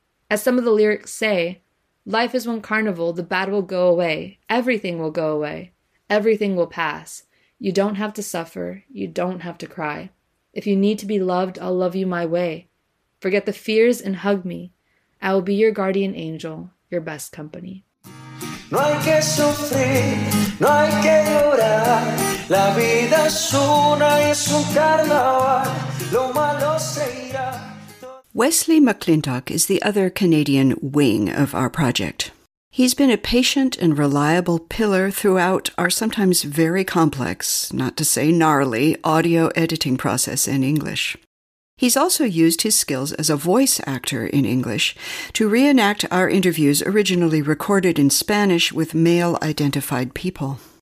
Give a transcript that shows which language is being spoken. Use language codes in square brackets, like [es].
[en] As some of the lyrics say, life is one carnival, the bad will go away, everything will go away, everything will pass. You don't have to suffer, you don't have to cry. If you need to be loved, I'll love you my way. Forget the fears and hug me. I will be your guardian angel, your best company. [es] No hay que sufrir, no hay que llorar. La vida es una y es un carnaval. Lo malo se irá. [en] Wesley McClintock is the other Canadian wing of our project. He's been a patient and reliable pillar throughout our sometimes very complex, not to say gnarly, audio editing process in English. He's also used his skills as a voice actor in English to reenact our interviews originally recorded in Spanish with male-identified people.